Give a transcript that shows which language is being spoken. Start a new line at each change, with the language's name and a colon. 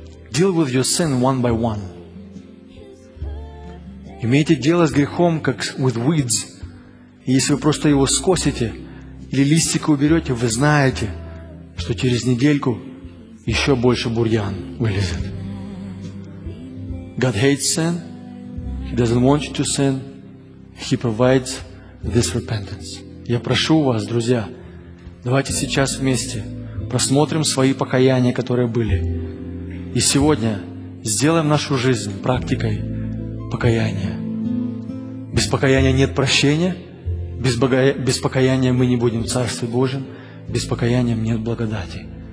English: Deal with your sin one by one.
Russian: Имейте дело с грехом, как
English: with weeds.
Russian: И если вы просто его скосите, или листики уберете, вы знаете, что через недельку еще больше бурьян вылезет.
English: God hates sin. He doesn't want you to sin. He provides this repentance.
Russian: Я прошу вас, друзья, давайте сейчас вместе просмотрим свои покаяния, которые были. И сегодня сделаем нашу жизнь практикой покаяния. Без покаяния нет прощения. Без покаяния мы не будем в Царстве Божьем, без покаяния нет благодати.